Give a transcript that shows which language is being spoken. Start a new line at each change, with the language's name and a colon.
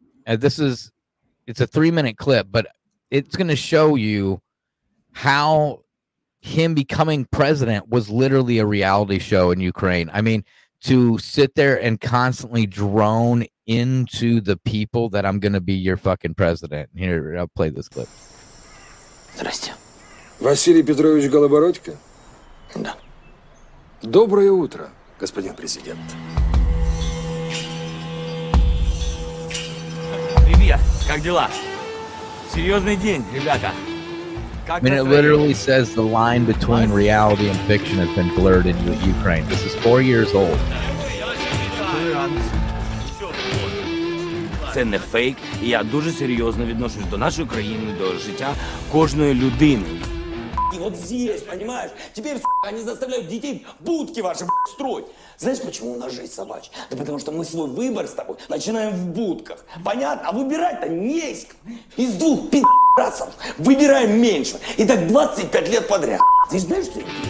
English: And it's a 3-minute clip, but it's going to show you how him becoming president was literally a reality show in Ukraine. I mean, to sit there and constantly drone into the people that I'm going to be your fucking president. Here, I'll play this clip.
Russian: Здрасте. Василий Петрович Голобородько? Да. Доброе утро, господин президент. Привет, как дела? Серьезный день, ребята.
English: I mean, it literally says the line between reality and fiction has been blurred in Ukraine. This is 4 years old.
Ukrainian: це не фейк. Я дуже серйозно відношусь до нашої країни, до життя кожної людини. І от
Russian: здесь, понимаешь? Теперь, сука, они заставляют детей будки ваши, строить. Знаешь, почему у нас жизнь собачья? Да потому что мы свой выбор с тобой начинаем в будках. Понятно? А выбирать-то не из кого. Из двух пи***цев выбираем меньше. И так 25 лет подряд. Ты знаешь, что это?